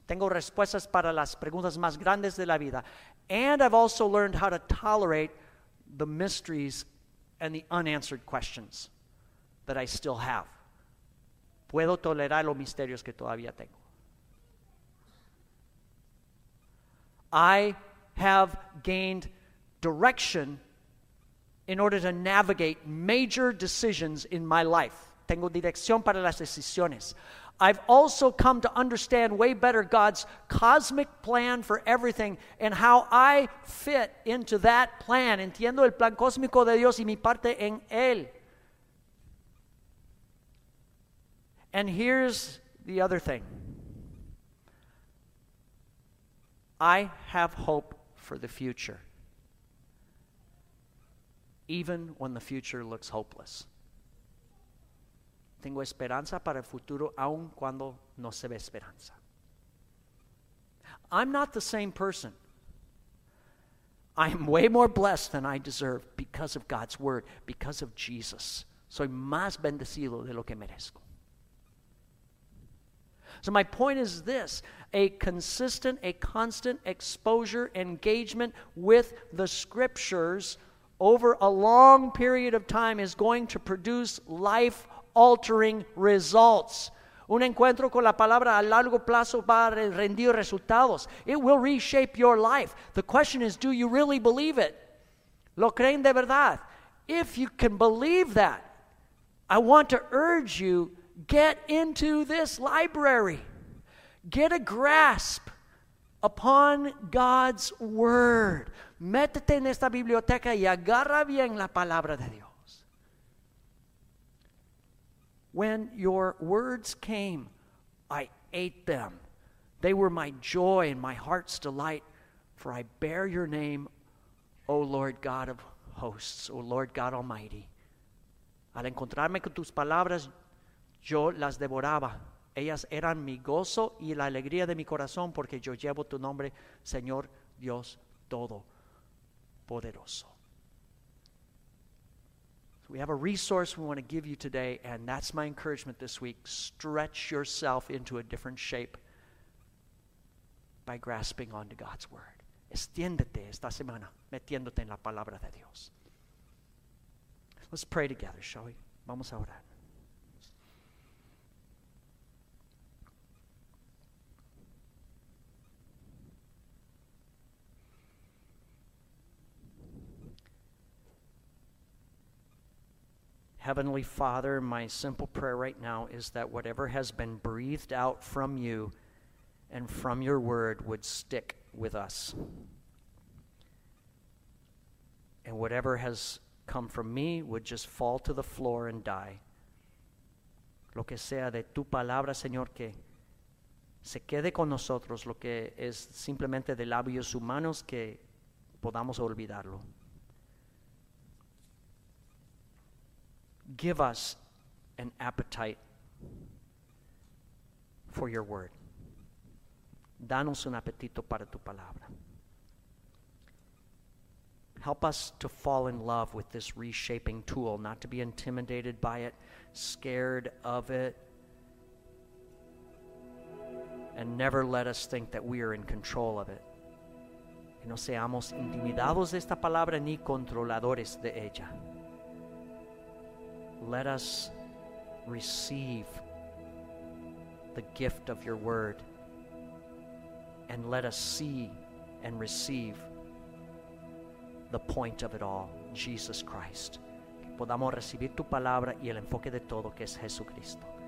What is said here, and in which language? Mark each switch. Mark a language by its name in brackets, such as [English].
[Spanish] Tengo respuestas para las preguntas más grandes de la vida. [English] And I've also learned how to tolerate the mysteries and the unanswered questions that I still have. [Spanish] Puedo tolerar los misterios que todavía tengo. [English] I have gained direction in order to navigate major decisions in my life. [Spanish] Tengo dirección para las decisiones. [English] I've also come to understand way better God's cosmic plan for everything and how I fit into that plan. [Spanish] Entiendo el plan cósmico de Dios y mi parte en él. [English] And here's the other thing. I have hope for the future, even when the future looks hopeless. [Spanish] Tengo esperanza para el futuro, aun cuando no se ve esperanza. [English] I'm not the same person. I'm way more blessed than I deserve because of God's word, because of Jesus. [Spanish] Soy más bendecido de lo que merezco. [English] So my point is this, a consistent, a constant exposure, engagement with the scriptures over a long period of time is going to produce life-altering results. [Spanish] Un encuentro con la palabra a largo plazo va a rendir resultados. [English] It will reshape your life. The question is, do you really believe it? [Spanish] ¿Lo creen de verdad? [English] If you can believe that, I want to urge you, get into this library. Get a grasp upon God's word. [Spanish] Métete en esta biblioteca y agarra bien la palabra de Dios. [English] When your words came, I ate them. They were my joy and my heart's delight, for I bear your name, O Lord God of hosts, O Lord God Almighty. [Spanish] Al encontrarme con tus palabras, yo las devoraba. Ellas eran mi gozo y la alegría de mi corazón porque yo llevo tu nombre, Señor Dios Todopoderoso. [English] We have a resource we want to give you today, and that's my encouragement this week. Stretch yourself into a different shape by grasping onto God's word. [Spanish] Extiéndete esta semana metiéndote en la palabra de Dios. [English] Let's pray together, shall we? [Spanish] Vamos a orar. [English] Heavenly Father, my simple prayer right now is that whatever has been breathed out from you and from your word would stick with us. And whatever has come from me would just fall to the floor and die. [Spanish] lo que sea de tu palabra, Señor, que se quede con nosotros, lo que es simplemente de labios humanos, que podamos olvidarlo. [English] Give us an appetite for your word. [Spanish] Danos un apetito para tu palabra. [English] Help us to fall in love with this reshaping tool, not to be intimidated by it, scared of it, and never let us think that we are in control of it. [Spanish] Que no seamos intimidados de esta palabra ni controladores de ella. [English] Let us receive the gift of your word, and let us see and receive the point of it all, Jesus Christ. [Spanish] Que podamos recibir tu palabra y el enfoque de todo, que es Jesucristo.